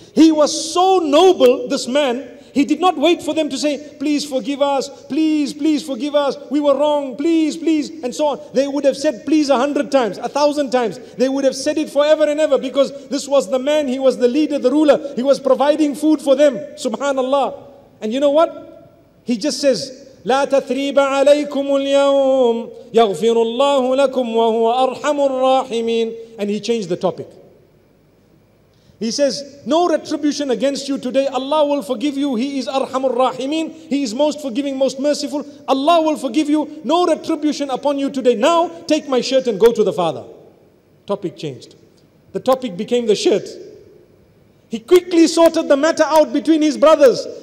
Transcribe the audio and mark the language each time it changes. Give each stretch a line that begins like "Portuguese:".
English: He was so noble, this man, he did not wait for them to say, please forgive us, please, please forgive us. We were wrong, please, please, and so on. They would have said please 100 times, 1,000 times. They would have said it forever and ever, because this was the man, he was the leader, the ruler. He was providing food for them. Subhanallah. And you know what? He just says,
Arabic: لا تثريب عليكم اليوم يغفر الله لكم وهو أرحم الراحمين.
English: And he changed the topic. He says, no retribution against you today. Allah will forgive you. He is Arhamur Rahimin. He is most forgiving, most merciful. Allah will forgive you. No retribution upon you today. Now take my shirt and go to the father. Topic changed. The topic became the shirt. He quickly sorted the matter out between his brothers.